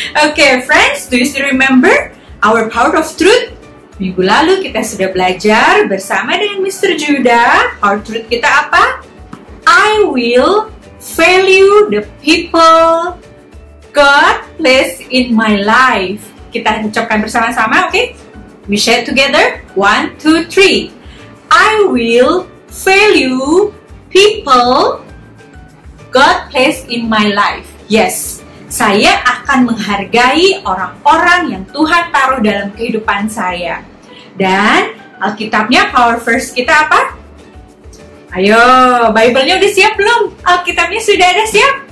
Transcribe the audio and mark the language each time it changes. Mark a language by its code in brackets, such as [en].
[en] Okay, friends, do you still remember our power of truth? [id] Minggu lalu kita sudah belajar bersama dengan Mr. Judah. [en] Power truth [id] kita apa? [en] I will value the people God place in my life. [id] Kita ucapkan bersama-sama, [en] okay? We share together. 1, 2, 3. I will value people God place in my life. Yes. [id] Saya akan menghargai orang-orang yang Tuhan taruh dalam kehidupan saya. Dan Alkitabnya [en] power verse [id] kita apa? Ayo, Bible-nya udah siap belum? Alkitabnya sudah ada siap?